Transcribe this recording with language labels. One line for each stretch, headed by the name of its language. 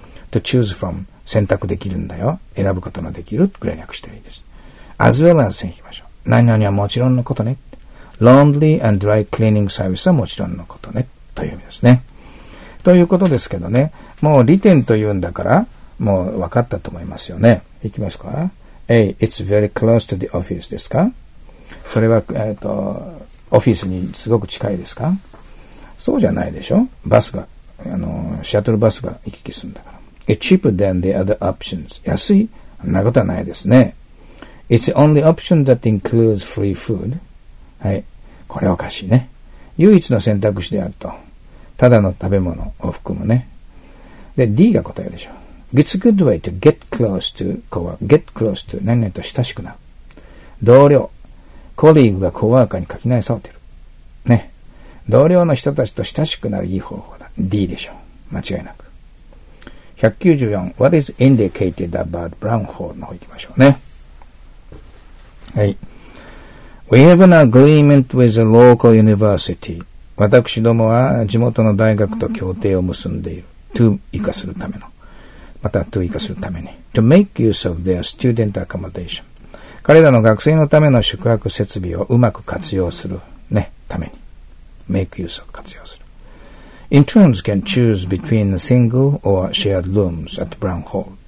English: to choose from、
Japanese: 選択できるんだよ。選ぶことのできる。ぐらい略してるんです。
English: as well as
Japanese: 行きましょう。何々はもちろんのことね。
English: laundry and dry cleaning service
Japanese: はもちろんのことね。という意味ですね。ということですけどね、もう利点というんだから、もう分かったと思いますよね。いきますか。
English: A, it's very close to the office
Japanese: ですか。それは、オフィスにすごく近いですか。そうじゃないでしょ。バスが、シャトルバスが行き来するんだから。
English: It's cheaper than the other options.
Japanese: 安い。そんなことはないですね。
English: It's the only option that includes free food.
Japanese: はい。これおかしいね。唯一の選択肢であると。ただの食べ物を含むね。で、D が答えでしょ。
English: It's a good way to get close to, get close to,
Japanese: 何々と親しくなる。同僚、コリーグがコワーカーに書き直されてる。ね。同僚の人たちと親しくなるいい方法だ。 D でしょ。間違いなく。194、
English: What is indicated about Brown Hall
Japanese: の方行きましょうね。はい。
English: We have an agreement with a local university.
Japanese: 私どもは地元の大学と協定を結んでいる。 to 生かするための。また to 生かするために。
English: to make use of their student accommodation。
Japanese: 彼らの学生のための宿泊設備をうまく活用する。ね。ために。
English: make use of
Japanese: 活用する。
English: interns can choose between single or shared rooms at Brown Hall。